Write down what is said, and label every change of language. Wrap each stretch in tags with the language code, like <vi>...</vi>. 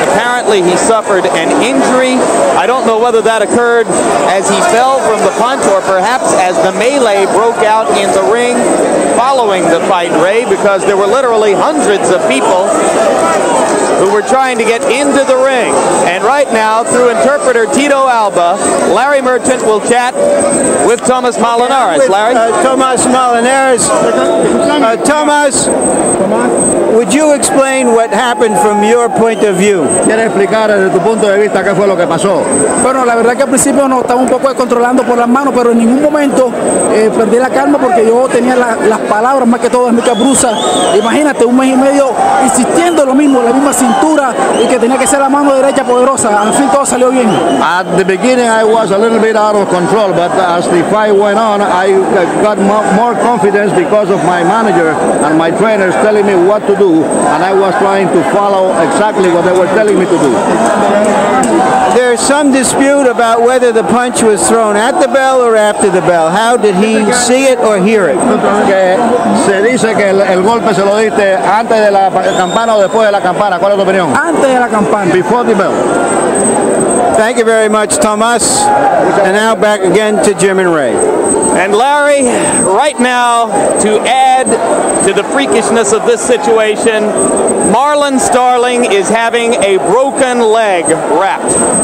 <en>Apparently he suffered an injury. I don't know whether that occurred as he fell from the punch or perhaps as the melee broke out in the ring following the fight, Ray, because there were literally hundreds of people who were trying to get into the ring. And right now, through interpreter Tito Alba, Larry Merchant will chat with Tomas Molinares. With, Larry? Tomas Molinares. Tomas, would you explain what happened from your point of view?</en> <es>¿Quieres explicar desde tu punto de vista qué fue lo que pasó? Bueno, la verdad que al principio nos estábamos un poco controlando por las manos, pero en ningún momento perdí la calma porque yo tenía las palabras más que todo en mi cabruza. Imagínate, un mes y medio insistiendo lo mismo, la misma cintura y que tenía que ser la mano derecha poderosa. Al fin todo salió bien.</es> <en>At the beginning I was a little bit out of control, but as the fight went on, I got more confidence because of my manager and my trainers telling me what to do, and I was trying to follow exactly what they were telling me to do. There's some dispute about whether the punch was thrown at the bell or after the bell. How did he see it or hear it?</en> <es>Se dice que el golpe se lo diste antes de la campana o después de la campana. ¿Cuál es tu opinión? Antes de la campana.</es> <en>Before the bell. Thank you very much, Tomas. And now back again to Jim and Ray. And Larry, right now, to add to the freakishness of this situation, Marlon Starling is having a broken leg wrapped.</en>